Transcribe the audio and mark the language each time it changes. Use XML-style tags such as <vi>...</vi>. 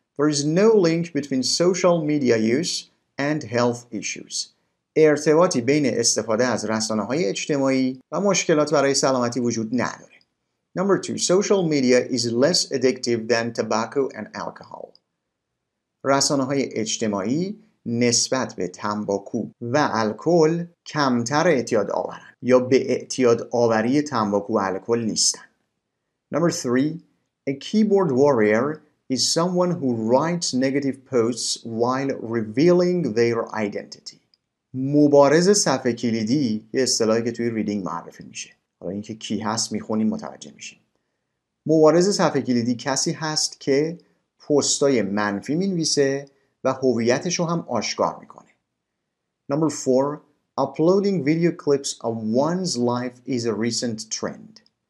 <en>There is no link between social media use and health issues.</en> <fa>ارتباطی بین استفاده از رسانه‌های اجتماعی و مشکلات برای سلامتی وجود نداره.</fa> <en>Number 2. Social media is less addictive than tobacco and alcohol.</en> <fa>رسانه‌های اجتماعی نسبت به تنباکو و الکل کمتر اعتیاد آورن یا به اعتیاد آوری تنباکو و الکل نیستن.</fa> <en>Number 3. A keyboard warrior is someone who writes negative posts while revealing their identity.</en> <fa>مبارز صفحه کلیدی یه اصطلاحی که توی ریدینگ معرفی میشه، حالا اینکه کی هست میخونیم متوجه میشیم. مبارز صفحه کلیدی کسی هست که پستای منفی مینویسه و هویتش رو هم آشکار میکنه.</fa> <en>Number 4. Uploading video clips of one's life is a recent trend.</en>